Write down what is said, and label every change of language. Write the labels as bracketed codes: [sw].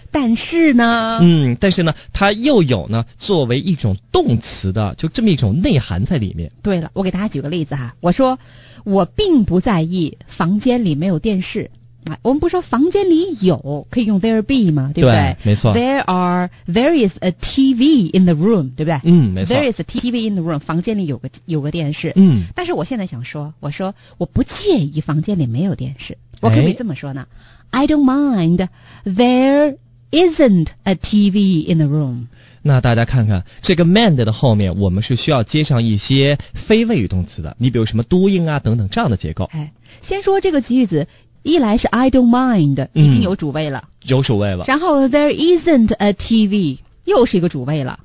[zh] 但是呢，但是呢，它又有呢作为一种动词的就这么一种内涵在里面。对了，我给大家举个例子哈，我说我并不在意房间里没有电视啊，我们不说房间里有，可以用 [en] there be [zh] 吗？对不对？对，没错。 [en] There is a TV in the room， [zh] 对不对？嗯，没错。 [en] There is a TV in the room， [zh] 房间里有个电视。嗯，但是我现在想说，我说我不介意房间里没有电视，我可不可以这么说呢？哎、 [en] I don't mind there isn't a TV in the room。 [zh] 那大家看看这个 mind 的后面，我们是需要接上一些非谓语动词的，你比如什么 doing 啊等等这样的结构。哎，先说这个句子。一来是 [en] I don't mind， [zh] 已经有主谓了，有主谓了。然后 [en] there isn't a TV， [zh] 又是一个主谓了。